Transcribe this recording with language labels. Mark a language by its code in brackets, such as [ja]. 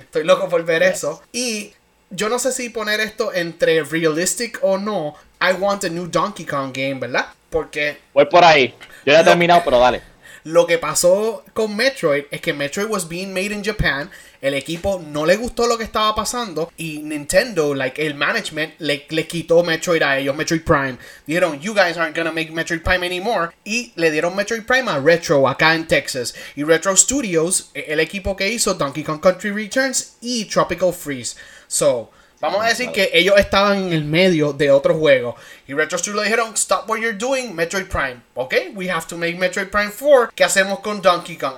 [es] Estoy loco por ver eso. Y yo no sé si poner esto entre realistic o no. [en] I want a new Donkey Kong game, [es] ¿verdad? Porque... voy por ahí. Yo ya he terminado, pero dale. Lo que pasó con Metroid es que [en] Metroid was being made in Japan. [es] El equipo no le gustó lo que estaba pasando. Y Nintendo, like, el management, le quitó Metroid a ellos, Metroid Prime. Dijeron, [en] you guys aren't gonna make Metroid Prime anymore. [es] Y le dieron Metroid Prime a Retro, acá en Texas. Y Retro Studios, el equipo que hizo Donkey Kong Country Returns y Tropical Freeze. So... vamos a decir que ellos estaban en el medio de otro juego. Y Retro Studios le dijeron, [en] stop what you're doing, [es] Metroid Prime. [en] Ok, we have to make Metroid Prime 4. [es] ¿Qué hacemos con Donkey Kong?